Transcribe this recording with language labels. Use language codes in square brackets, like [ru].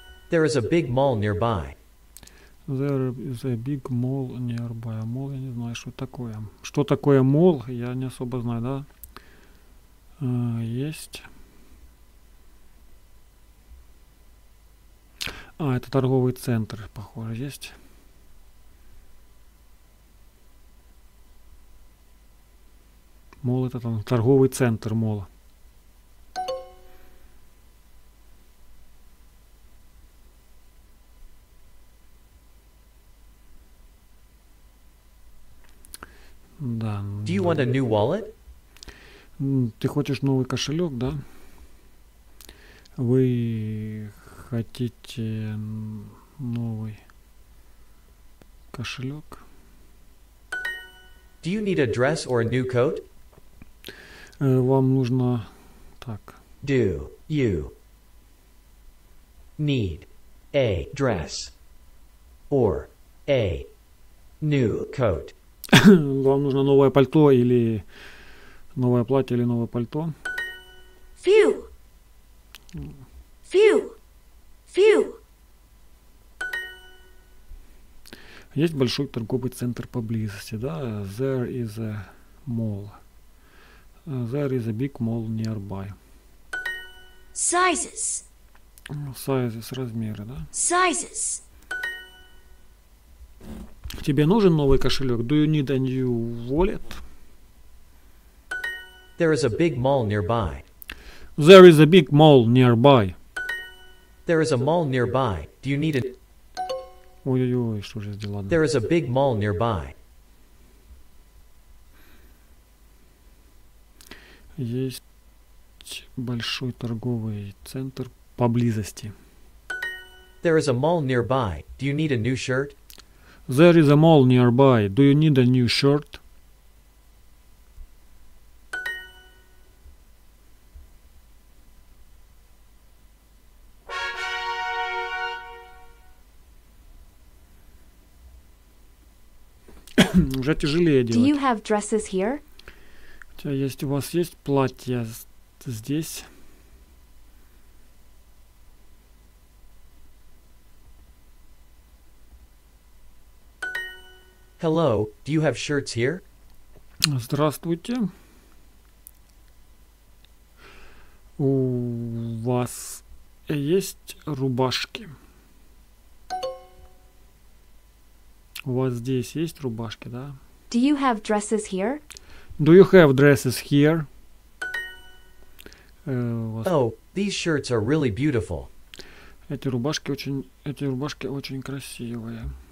[en] There is a big mall nearby. There is a big mall nearby. [ru] Мол, я не знаю, что такое. Что такое мол, я не особо знаю, да? Есть. А, это торговый центр, похоже, есть. Мол, это там торговый центр мола. Да. [en] Do you want a new wallet? [ru] Ты хочешь новый кошелек, да? Вы хотите новый кошелек? [en] Do you need a dress or a new coat? [ru] Вам нужно так. [en] Do you need a dress or a new coat? [ru] Вам нужно новое пальто или новое платье или новое пальто? [en] Few. Few. Few. [ru] Есть большой торговый центр поблизости, да? [en] There is a mall. There is a big mall nearby. Sizes. Sizes, [ru] размеры, да? [en] Sizes. [ru] Тебе нужен новый кошелек? [en] Do you need a new wallet? There is a big mall nearby. There is a big mall nearby. There is a mall nearby. Do you need a... [ru] Ой-ой-ой, что же сделано? [en] There is a big mall nearby. [ru] Есть большой торговый центр поблизости. [en] There is a mall nearby. Do you need a new shirt? There is a mall nearby. Do you need a new shirt? [ru] Уже тяжелее делать. [en] Do you have dresses here? [ru] Хотя есть, у вас есть платья здесь? [en] Hello, do you have shirts here? [ru] Здравствуйте. У вас есть рубашки? У вас здесь есть рубашки, да? [en] Do you have dresses here? Do you have dresses here? Oh, these shirts are really beautiful. [ru] Эти рубашки очень красивые.